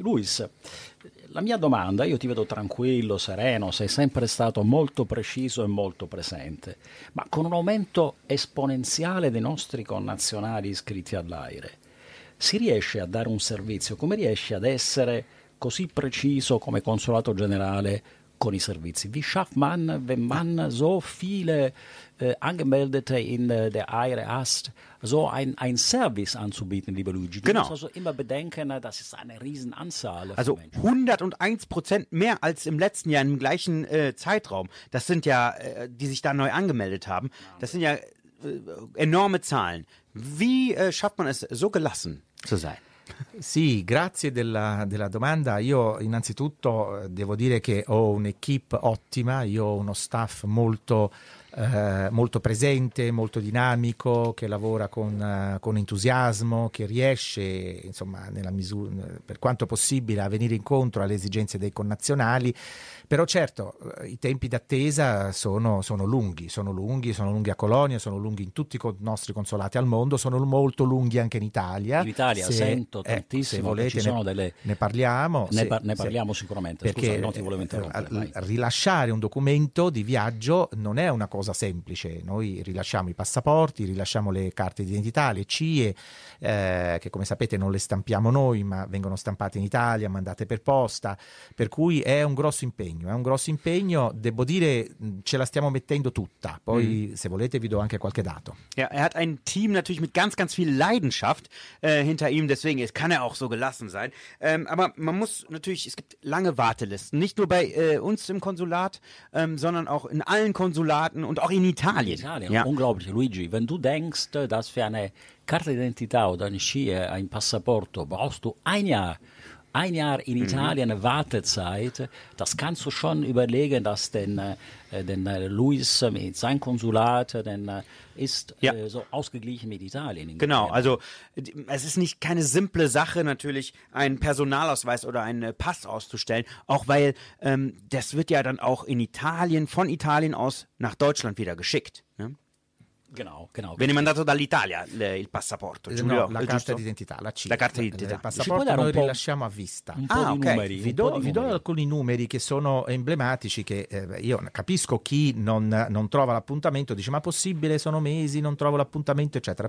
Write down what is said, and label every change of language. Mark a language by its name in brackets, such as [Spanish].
[Italian] Luis, la mia domanda, io ti vedo tranquillo, sereno, sei sempre stato molto preciso e molto presente, ma con un aumento esponenziale dei nostri connazionali iscritti all'AIRE, si riesce a dare un servizio? Come riesce ad essere così preciso come Consolato Generale con i servizi? [German] Wie schafft man, wenn man so viele Angemeldete in der AIRE hast, so ein Service anzubieten, lieber Luigi? Du genau. Du musst also immer bedenken, das ist eine Riesenanzahl. Also 101% mehr als im letzten Jahr, im gleichen Zeitraum. Das sind ja, die sich da neu angemeldet haben, das sind ja enorme Zahlen. Wie schafft man es, so gelassen zu sein? [Italian] Sì, grazie della domanda. Io innanzitutto devo dire che ho un'equipe ottima, io ho uno staff molto, molto presente, molto dinamico, che lavora con entusiasmo, che riesce, insomma, nella misura, per quanto possibile, a venire incontro alle esigenze dei connazionali. Però certo, i tempi d'attesa sono lunghi a Colonia, sono lunghi in tutti i nostri consolati al mondo, sono molto lunghi anche in Italia. In Italia sento tantissimo, se volete, ci sono delle... Ne parliamo sicuramente, perché, scusa, non ti volevo interrompere. Rilasciare un documento di viaggio non è una cosa semplice. Noi rilasciamo i passaporti, rilasciamo le carte d'identità, le CIE, che come sapete non le stampiamo noi, ma vengono stampate in Italia, mandate per posta, per cui è un grosso impegno. È un grosso impegno, devo dire, ce la stiamo mettendo tutta. Poi, se volete, vi do anche qualche dato. [German] Ja, er hat ein Team natürlich mit ganz, ganz viel Leidenschaft hinter ihm, deswegen kann er auch so gelassen sein. Aber man muss natürlich, es gibt lange Wartelisten, nicht nur bei uns im Konsulat, sondern auch in allen Konsulaten und auch in Italien. Ja. Unglaublich, Luigi, wenn du denkst, dass für eine Karte d'identità oder eine Skie, ein Passaporto, brauchst du ein Jahr in Italien Wartezeit, das kannst du schon überlegen, dass denn Luis mit seinem Konsulat denn ist ja. So ausgeglichen mit Italien. Genau, also es ist nicht keine simple Sache natürlich, einen Personalausweis oder einen Pass auszustellen, auch weil das wird ja dann auch in Italien, von Italien aus nach Deutschland wieder geschickt. Ne? Genau. [Italian] Viene mandato dall'Italia il passaporto, Giulio, no, la carta giusto? D'identità, la CIE. La carta d'identità. Il passaporto noi rilasciamo a vista. Vi do alcuni numeri che sono emblematici, che io capisco chi non trova l'appuntamento, dice ma possibile, sono mesi, non trovo l'appuntamento, eccetera.